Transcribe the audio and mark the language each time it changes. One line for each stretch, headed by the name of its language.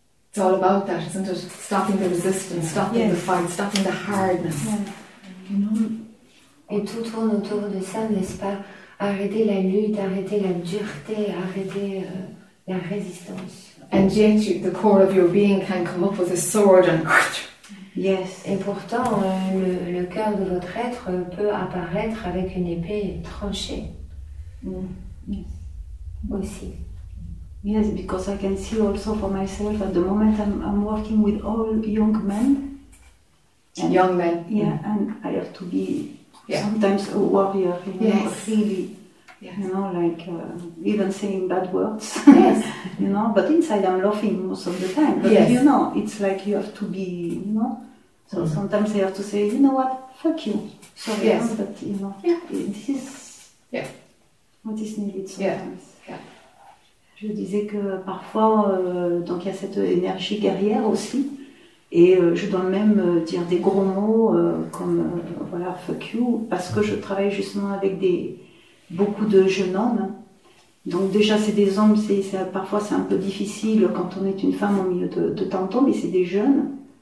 English: It's all about that, isn't it? Stopping the resistance, stopping the fight, stopping the hardness. Yeah.
French: Et tout tourne autour de ça, n'est-ce pas? Arrêter la lutte, arrêter la dureté, arrêter la résistance.
English: And yet the core of your being can come up with a sword and... Yes.
French: Et pourtant, le cœur de votre être peut apparaître avec une épée tranchée.
English: Yes.
French: Aussi.
English: Yes, because I can see also for myself at the moment I'm working with all young men. And, young men. Yeah, and I have to be sometimes a warrior. You know, really. Yes. You know, like even saying bad words. Yes. You know, but inside I'm laughing most of the time. But you know, it's like you have to be, you know. So sometimes I have to say, you know what, fuck you. Sorry, but you know, this is what is needed sometimes.
French: Je disais que parfois, donc il y a cette énergie guerrière aussi. Et je dois même dire des gros mots comme, voilà,
English: fuck you,
French: parce que je travaille justement avec beaucoup de jeunes hommes. Donc déjà, c'est des hommes, parfois c'est un peu difficile quand on est une femme au milieu de tant d'hommes, mais c'est des jeunes.